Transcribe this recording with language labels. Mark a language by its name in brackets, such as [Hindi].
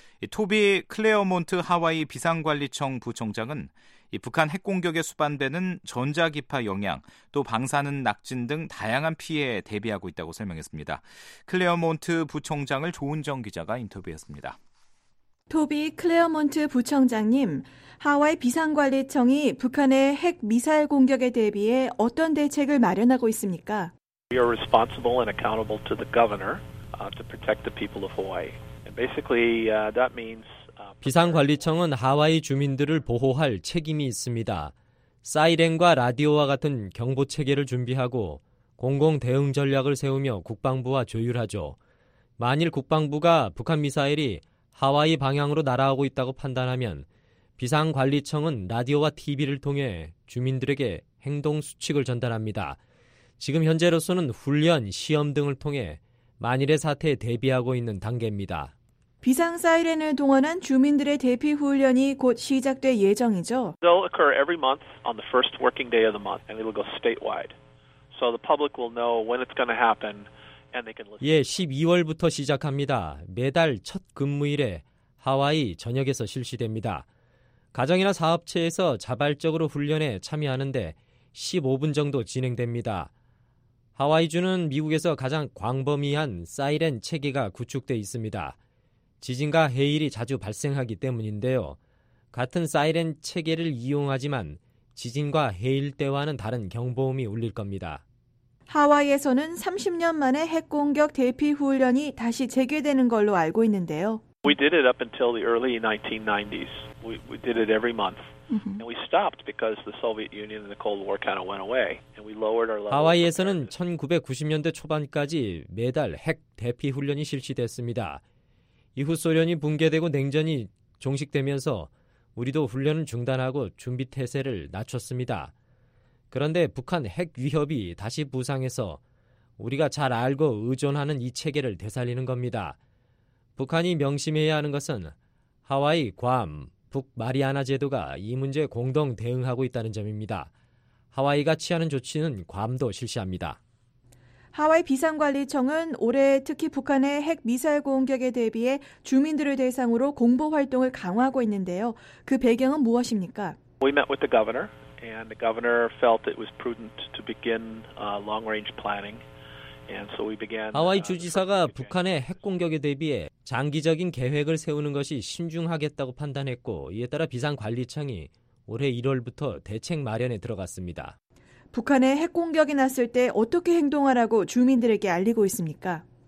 [Korean] 토비 클레어몬트 하와이 비상관리청 부총장은 북한 핵공격에 수반되는 전자기파 영향, 또 방사능 낙진 등 다양한 피해에 대비하고 있다고 설명했습니다. 클레어몬트 부총장을 조은정 기자가 인터뷰했습니다. 토비 클레어몬트 부청장님, 하와이 비상관리청이 북한의 핵 미사일 공격에 대비해 어떤 대책을 마련하고 있습니까? [English] We are responsible and accountable to the governor to protect the people of Hawaii. And basically, that means [Korean] 비상관리청은 하와이 주민들을 보호할 책임이 있습니다. 사이렌과 라디오와 같은 경보 체계를 준비하고 공공 대응 전략을 세우며 국방부와 조율하죠. 만일 국방부가 북한 미사일이 하와이 방향으로 날아오고 있다고 판단하면 비상관리청은 라디오와 TV를 통해 주민들에게 행동수칙을 전달합니다. 지금 현재로서는 훈련, 시험 등을 통해 만일의 사태에 대비하고 있는 단계입니다. 비상사이렌을 동원한 주민들의 대피 훈련이 곧 시작될 예정이죠. [English] They'll occur every month on the first working day of the month and it'll go statewide. So the public will know when it's going to happen. [Korean] 예, 12월부터 시작합니다. 매달 첫 근무일에 하와이 전역에서 실시됩니다. 가정이나 사업체에서 자발적으로 훈련에 참여하는데 15분 정도 진행됩니다. 하와이주는 미국에서 가장 광범위한 사이렌 체계가 구축돼 있습니다. 지진과 해일이 자주 발생하기 때문인데요. 같은 사이렌 체계를 이용하지만 지진과 해일 때와는 다른 경보음이 울릴 겁니다. 하와이에서는 30년 만에 핵공격 대피 훈련이 다시 재개되는 걸로 알고 있는데요. [English] We did it up until the early 1990s. We did it every month. And we stopped because the Soviet Union and the Cold War kind of went away. And we lowered our level. [Korean] 하와이에서는 1990년대 초반까지 매달 핵 대피 훈련이 실시됐습니다. 이후 소련이 붕괴되고 냉전이 종식되면서 우리도 훈련을 중단하고 준비 태세를 낮췄습니다. 그런데 북한 핵 위협이 다시 부상해서 우리가 잘 알고 의존하는 이 체계를 되살리는 겁니다. 북한이 명심해야 하는 것은 하와이, 괌, 북 마리아나 제도가 이 문제에 공동 대응하고 있다는 점입니다. 하와이가 취하는 조치는 괌도 실시합니다. 하와이 비상관리청은 올해 특히 북한의 핵 미사일 공격에 대비해 주민들을 대상으로 공보 활동을 강화하고 있는데요. 그 배경은 무엇입니까? [English] We met with the governor. And the governor felt it was prudent to begin long-range planning [Korean] 하와이 주지사가 북한의 핵 공격에 대비해 장기적인 계획을 세우는 것이 신중하겠다고 판단했고 이에 따라 비상관리청이 올해 1월부터 대책 마련에 들어갔습니다. 북한의 핵 공격이 났을 때 어떻게 행동하라고 주민들에게 알리고 있습니까?